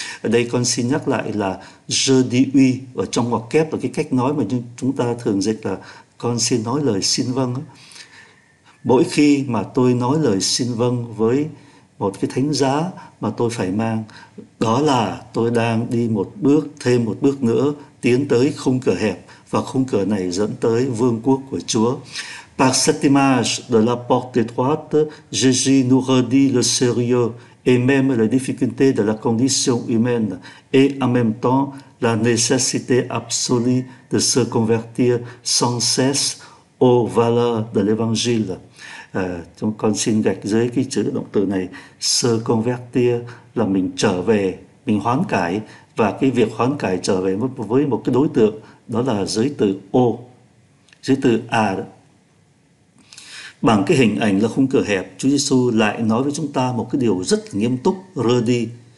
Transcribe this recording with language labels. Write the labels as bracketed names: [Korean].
[Vietnamese] Ở đây con xin nhắc lại là [French] je dis oui, [Vietnamese] ở trong ngoặc kép là cái cách nói mà chúng ta thường dịch là con xin nói lời xin vâng. Mỗi khi mà tôi nói lời xin vâng với một cái thánh giá mà tôi phải mang, đó là tôi đang đi một bước, thêm một bước nữa tiến tới khung cửa hẹp, và khung cửa này dẫn tới vương quốc của Chúa. [French] Par cette image de la porte étroite, Jésus nous redit le sérieux et même la difficulté de la condition humaine, et en même temps la nécessité absolue de se convertir sans cesse aux valeurs de l'Évangile. [Vietnamese] Chúng con xin gạch dưới cái chữ động từ này, se convertir là mình trở về, mình hoán cải, và cái việc hoán cải trở về với một cái đối tượng, đó là giới từ ô, giới từ à. Bằng cái hình ảnh là khung cửa hẹp, Chúa Giêsu lại nói với chúng ta một cái điều rất là nghiêm túc, rơ đi.